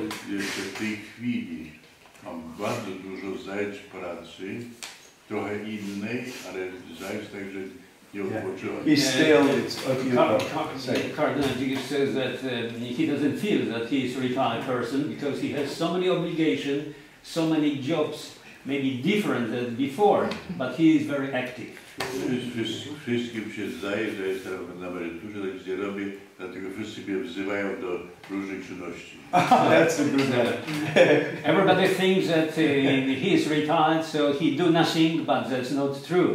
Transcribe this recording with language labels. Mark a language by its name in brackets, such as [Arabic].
[Polish] Jeszcze w tej chwili mam bardzo dużo zajęć pracy, trochę innej, ale zajęć także nie odpoczywam. [English] He's still, it's okay. Cardinal Dziwisz says that he doesn't feel that he is a retired person because he has so many obligations, so many jobs. Maybe different than before, but he is very active. [Polish] Wszystkim się zdaje, że jestem na emeryturze, tak się robi, dlatego wszyscy mnie wzywają do różnych czynności. [English] That's a good one. Everybody thinks that he is retired, so he do nothing, but that's not true.